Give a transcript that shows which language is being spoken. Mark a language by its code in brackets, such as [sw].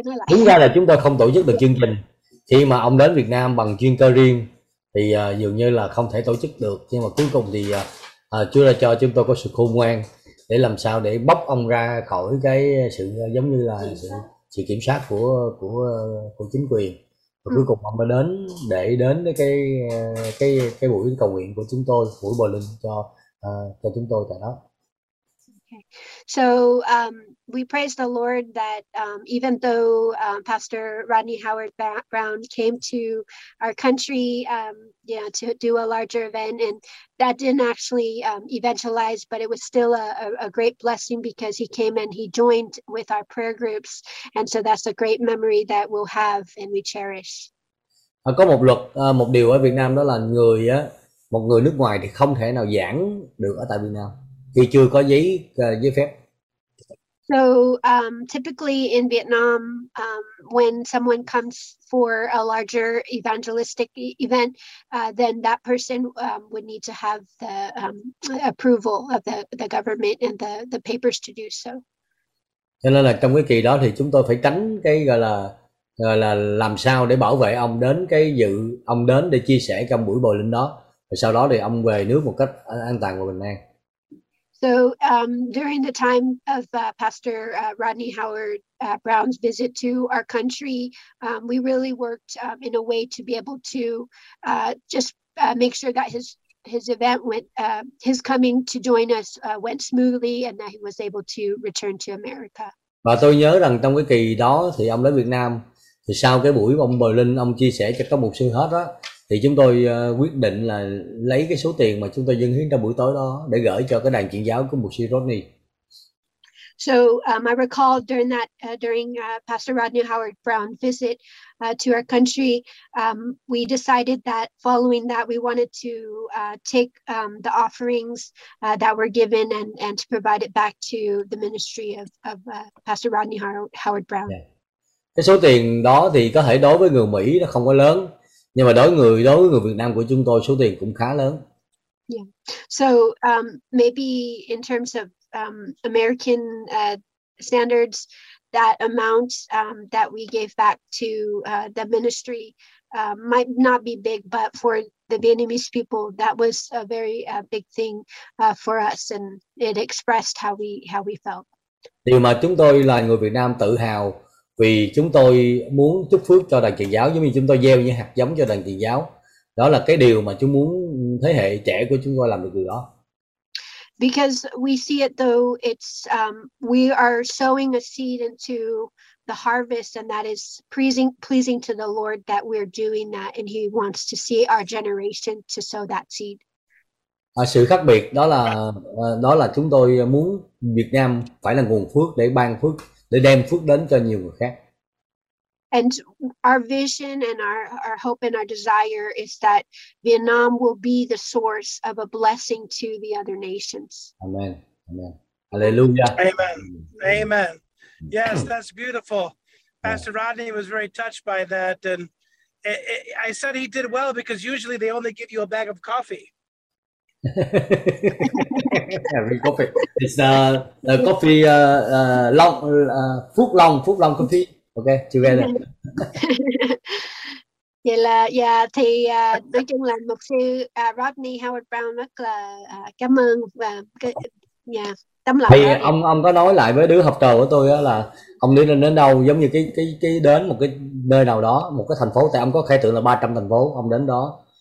[vi] Đúng ra là chúng tôi không tổ chức được chương trình khi mà ông đến Việt Nam bằng chuyên cơ riêng, thì dường như là không thể tổ chức được, nhưng mà cuối cùng thì Chúa đã cho chúng tôi có sự khôn ngoan để làm sao để bóc ông ra khỏi cái sự giống như là sự kiểm soát của chính quyền, và cuối cùng ông mới đến cái buổi cầu nguyện của chúng tôi, buổi bồi linh cho chúng tôi tại đó. [en] So we praise the Lord that even though Pastor Rodney Howard Brown came to our country to do a larger event, and that didn't actually eventualize, but it was still a great blessing because he came and he joined with our prayer groups, and so that's a great memory that we'll have and we cherish. [vi] Có một luật, một điều ở Việt Nam đó là một người nước ngoài thì không thể nào giảng được ở tại Việt Nam khi chưa có giấy phép. [en] So typically in Vietnam, when someone comes for a larger evangelistic event, then that person would need to have the approval of the government and the papers to do so. [vi] Cho nên là trong cái kỳ đó thì chúng tôi phải tránh cái gọi là làm sao để bảo vệ ông đến cái dự ông đến để chia sẻ trong buổi bồi linh đó, và sau đó thì ông về nước một cách an toàn và bình an. [en] So during the time of Pastor Rodney Howard Brown's visit to our country, we really worked in a way to be able to just make sure that his event went, his coming to join us went smoothly, and that he was able to return to America. [vi] Và tôi nhớ rằng trong cái kỳ đó thì ông đến Việt Nam, thì sau cái buổi ông bồi linh ông chia sẻ cho các mục sư hết đó, thì chúng tôi quyết định là lấy cái số tiền mà chúng tôi dâng hiến trong buổi tối đó để gửi cho cái đàn chuyển giáo của mục sư Rodney. [en] So I recall during that during Pastor Rodney Howard Brown's visit to our country, we decided that following that we wanted to take the offerings that were given and to provide it back to the ministry of Pastor Rodney Howard Brown. Yeah. [vi] Cái số tiền đó thì có thể đối với người Mỹ nó không có lớn, nhưng mà đối với người Việt Nam của chúng tôi số tiền cũng khá lớn. [en] Yeah. So maybe in terms of American standards, that amount that we gave back to the ministry might not be big, but for the Vietnamese people, that was a very big thing for us, and it expressed how we felt. [vi] Điều mà chúng tôi là người Việt Nam tự hào vì chúng tôi muốn chúc phước cho đàn truyền giáo giống như chúng tôi gieo những hạt giống cho đàn truyền giáo. Đó là cái điều mà chúng muốn thế hệ trẻ của chúng tôi làm được điều đó. [en] Because we see it though, it's we are sowing a seed into the harvest, and that is pleasing to the Lord that we're doing that, and He wants to see our generation to sow that seed. [vi] À, sự khác biệt đó là chúng tôi muốn Việt Nam phải là nguồn phước để ban phước, để đem phước đến cho nhiều người khác. [en] And our vision and our hope and our desire is that Vietnam will be the source of a blessing to the other nations. Amen. Amen. Hallelujah. Amen. Amen. Yes, that's beautiful. Pastor Rodney was very touched by that. And I said he did well because usually they only give you a bag of coffee. Every coffee. It's the coffee long, Phúc Long, Phúc Long coffee. Ok, together. [vi] Vậy là, yeah, thì nói chung là mục sư Rodney Howard Brown rất là cảm ơn và tâm lòng. Thì ông có nói lại với đứa học trò của tôi là ông đi lên đến đâu, giống như cái đến một cái nơi nào đó, một cái thành phố, tại ông có khai tượng là 300 thành phố, ông đến đó.